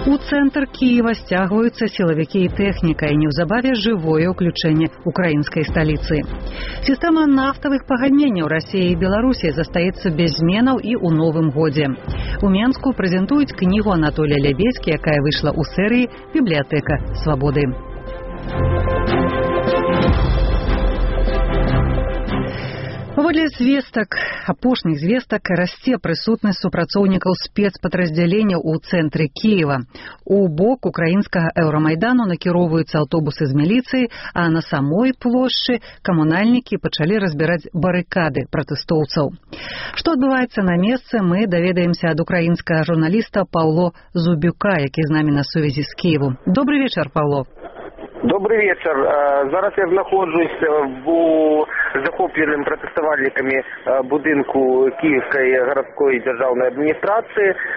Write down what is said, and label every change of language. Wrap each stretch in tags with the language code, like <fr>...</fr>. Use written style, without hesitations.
<uk>Центр Києва стягуються силовики і техніка, і невзабаві живое включення української столиці. Система нафтових поганянь Росії і Білорусі залишиться без змін і у новому році. У Мінську презентують книгу Анатолія Лебедька, яка вийшла у серії «Бібліотека свободи».</uk> <be>Поводле звестак, апошніх звестак, расце прысутнасць супрацоўнікаў спецпадраздзялення ў цэнтры Кіева. У бок украінскага еўрамайдану накіроўваюцца аўтобусы з міліцыі, а на самой плошчы камунальнікі пачалі разбіраць барыкады пратэстоўцаў. Што адбываецца на месцы, мы даведаемся ад украінскага журналіста Паўло Зубюка, які з намі на сувязі з Кіеву. Добры вечар, Паўло.</be> <ru>Добрый вечер.</ru> <uk>Зараз я знаходжусь в захопленим протестувальниками будинку Київської городської державної адміністрації.</uk>